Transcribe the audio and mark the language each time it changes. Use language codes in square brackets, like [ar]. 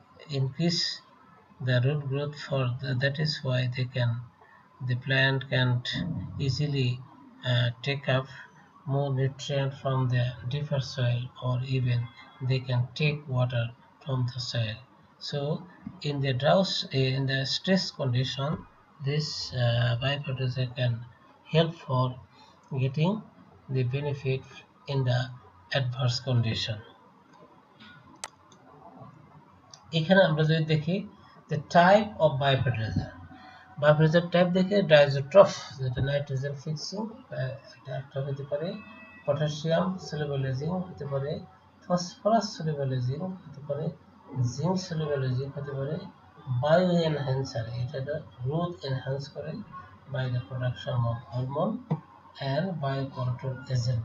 [en] increase the root growth for that is why they can the plant can't easily take up more nutrient from the deeper soil, or even they can take water from the soil. So in the drought, in the stress condition, this biofertilizer can help for getting the benefit in the adverse condition. [bn] এখানে আমরা যদি দেখি the type of biofertilizer. Biofertilizer type দেখে diazotrop, যেটা nitrogen fixing, diazotrop হতে পারে, potassium solubilizing হতে পারে, phosphorus solubilizing হতে পারে, zinc solubilizing হতে পারে, bio enhancer, এটা the growth enhance করে by the production of hormone, and biocontrol agent.